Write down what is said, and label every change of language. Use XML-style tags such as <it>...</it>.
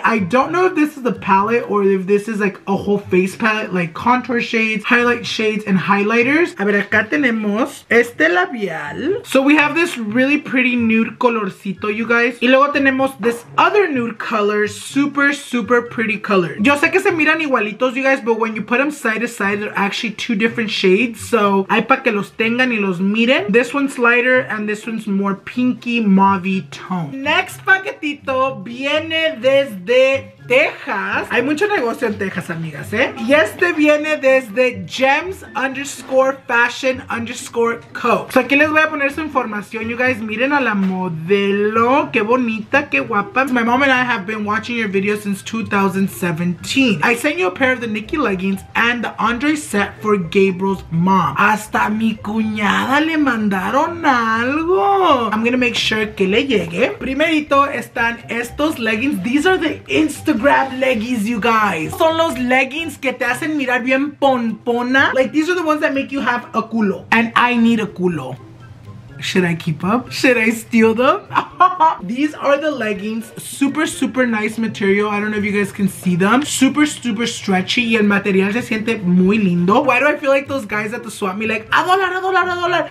<en>I don't know if this is a palette or if this is like a whole face palette, like contour shades, highlight shades, and highlighters.</en> <es>A ver, acá tenemos este labial.</es> <en>So we have this really pretty nude colorcito, you guys.</en> <es>Y luego tenemos</es> <en>this other nude color, super, super pretty color.</en> <es>Yo sé que se miran igualitos,</es> <en>you guys, but when you put them side to side, they're actually two different shades.</en> <es>So hay para que los tengan y los miren.</es> <en>This one's lighter and this one's more pinky mauve tone. Next</en> <es>paquetito viene desde Texas. Hay mucho negocio en Texas, amigas, ¿eh? Y este viene desde gems_fashion_co. O sea, aquí les voy a poner su información,</es> <en>you guys.</en> <es>Miren a la modelo. Qué bonita, qué guapa.</es> <en>My mom and I have been watching your videos since 2017. I sent you a pair of the Nikki leggings and the Andre set for Gabriel's mom.</en> <es>Hasta mi cuñada le mandaron algo.</es> <en>I'm gonna make sure</en> <es>que le llegue. Primerito están estos leggings.</es> <en>These are the Instagram leggings, you guys.</en> <es>Son los leggings que te hacen mirar bien pompona.</es> <en>Like, these are the ones that make you have a culo. And I need a culo. Should I keep up? Should I steal them? These are the leggings. Super, super nice material. I don't know if you guys can see them. Super, super stretchy.</en> <es>Y el material se siente muy lindo.</es> <en>Why do I feel like those guys at the swap meet like, a dollar, a dollar, a dollar.</en>